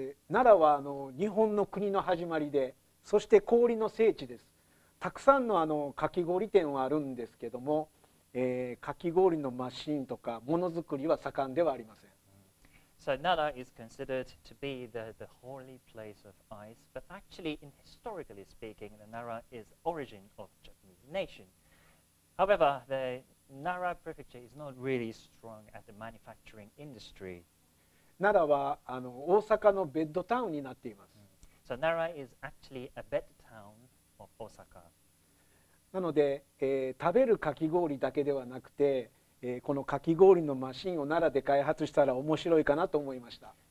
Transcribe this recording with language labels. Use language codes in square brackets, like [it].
[ja] Nara はあの日本の国の始まりで、そして氷の聖地です。たくさんのあのかき氷店はあるんですけども、かき氷のマシンとかものづくりは盛んではありません。 [en] So Nara is considered to be the holy place of ice, but actually, in historically speaking, the Nara is origin of Japanese nation. However, the Nara prefecture is not really strong at the manufacturing industry. [ja] Nara はあの大阪のベッドタウンになっています。 [en] So Nara is actually a bed town of Osaka. [ja] なので、食べるかき氷だけではなくて、このかき氷のマシンを奈良で開発したら面白いかなと思いました。